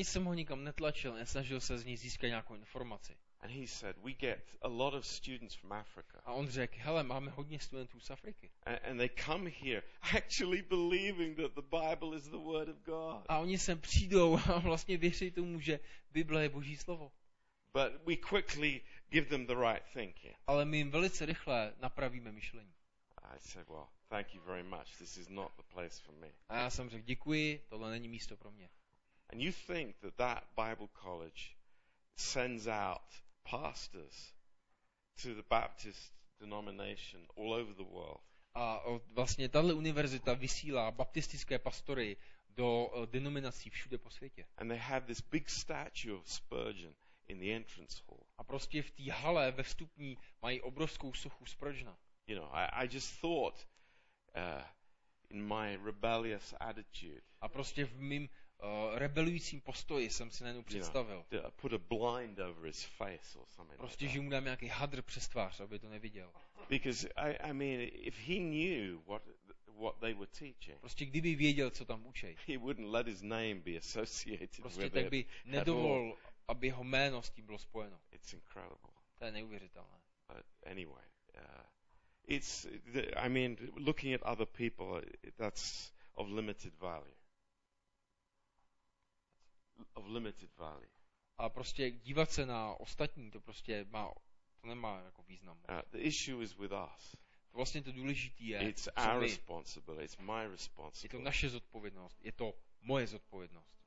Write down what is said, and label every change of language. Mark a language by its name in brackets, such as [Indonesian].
[Czech] Ani jsem ho nikam netlačil, nesnažil se z něj získat nějakou informaci. [English] And he said, we get a lot of students from Africa. [Czech] A on řekl, hele, máme hodně studentů z Afriky. [English] And they come here actually believing that the Bible is the word of God. [Czech] A oni sem přijdou a vlastně věří tomu, že Bible je Boží slovo. [English] But we quickly give them the right thinking. [Czech] Ale my jim velice rychle napravíme myšlení. [English] I said, well, thank you very much. This is not the place for me. [Czech] A já jsem řekl, děkuji, tohle není místo pro mě. [English] And you think that that Bible college sends out pastors to the Baptist denomination all over the world. [Czech] A vlastně tato univerzita vysílá baptistické pastory do denominací všude po světě. [English] And they have this big statue of Spurgeon in the entrance hall. [Czech] A prostě v té hale ve vstupní mají obrovskou sochu Spurgeona. [English] You know, I just thought in my rebellious attitude. [Czech] A prostě v mým rebelujícím postoji jsem si najednou představil. [English] You know, put a blind over his face or something. [Czech] Prostě [English] like [Czech] že mu dám nějaký hadr přes tvář, aby to neviděl. [English] Because I mean, if he knew what they were teaching. [Czech] Prostě kdyby věděl, co tam učej. [English] He wouldn't let his name be associated [Czech] prostě [English] with [Czech] tak by nedovolil, aby jeho jméno s tím bylo spojeno. [English] It's incredible. [Czech] To je neuvěřitelné. [English] But anyway, looking at other people, that's of limited value. Of limited value. [Czech] A prostě dívat se na ostatní, to prostě má, to nemá jako význam. [English] The issue is with us. [Czech] To vlastně to důležité je. [English] It's our responsibility. It's my responsibility. [Czech] Je to naše zodpovědnost. Je to moje zodpovědnost.